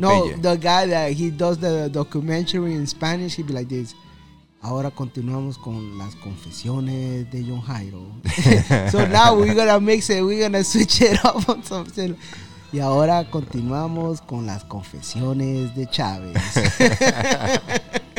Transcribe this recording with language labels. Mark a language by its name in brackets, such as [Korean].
[English] No, the guy that he does the documentary in Spanish, he'd be like this. [Spanish] Ahora continuamos con las confesiones de John Jairo. [English] So now we're gonna switch it up on something. [Spanish] Y ahora continuamos con las confesiones de Chávez.